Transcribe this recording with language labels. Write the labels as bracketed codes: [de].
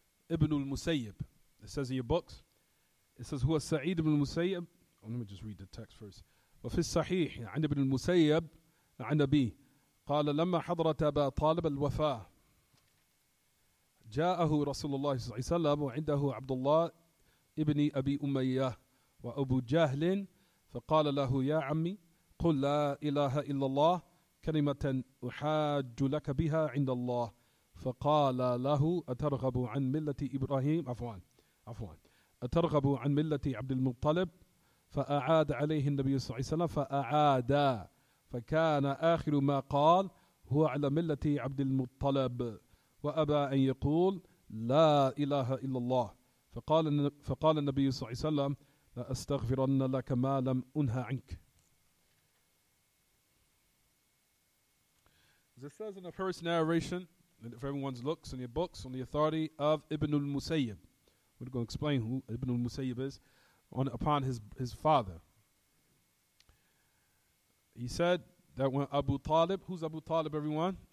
[en] It says in your books, it says, Huwa Sa'id ibn al-Musayyib. Oh, let me just read the text first. [ar] Wa fi Sahih, an Ibn al-Musayyib, an Nabi, قال لما حضرت أبا طالب الوفاة جاءه رسول الله صلى الله عليه وسلم وعنده عبد الله ابن أبي أمية وأبو جهل فقال له يا عمي قل لا إله إلا الله كلمة أحاج لك بها عند الله فقال له أترغب عن ملة إبراهيم عفوا أترغب عن ملة عبد المطلب فأعاد عليه النبي صلى الله عليه وسلم فأعاد فكان آخر ما قال هو على ملة عبد المطلب وأبى أن يقول لا إله إلا الله فقال النبي صلى الله عليه وسلم لا أستغفرن لك ما لم أنهى عنك. [en] As it says in the first narration, if everyone looks in your books, on the authority of Ibn al-Musayyib, we're going to explain who Ibn al-Musayyib is, upon his father. He said that when Abu Talib, who's Abu Talib, everyone?